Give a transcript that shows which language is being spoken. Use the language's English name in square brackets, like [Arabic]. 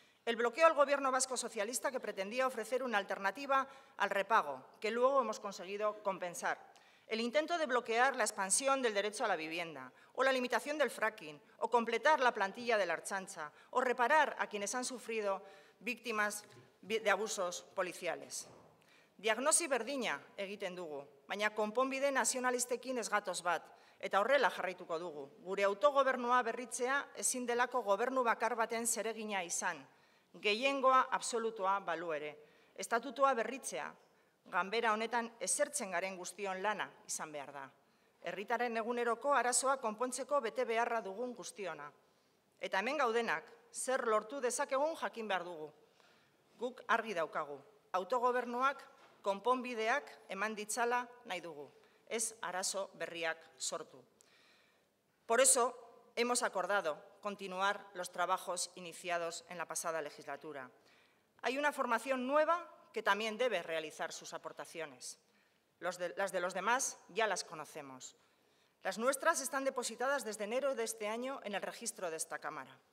[Spanish] El bloqueo al Gobierno vasco socialista que pretendía ofrecer una alternativa al repago, que luego hemos conseguido compensar. El intento de bloquear la expansión del derecho a la vivienda, o la limitación del fracking, o completar la plantilla de la Ertzaintza, o reparar a quienes han sufrido víctimas de abusos policiales. [Basque] Diagnosi berdina egiten dugu, baina konponbide nazionalistekin ez gatoz bat, eta horrela jarraituko dugu. Gure autogobernua berritzea ezin delako gobernu bakar baten zeregina izan, gehiengoa absolutua balu ere. Estatutua berritzea, ganbera honetan esertzen garen guztion lana izan behar da. Herritaren eguneroko arazoa konpontzeko bete beharra dugun guztiona. Eta hemen gaudenak, zer lortu dezakegun jakin behar dugu. Guk argi daukagu, autogobernuak konponbideak eman ditzala nahi dugu, ez arazo berriak sortu. [Spanish] Por eso, hemos acordado continuar los trabajos iniciados en la pasada legislatura. Hay una formación nueva que también debe realizar sus aportaciones. Las de los demás ya las conocemos. Las nuestras están depositadas desde enero de este año en el registro de esta Cámara.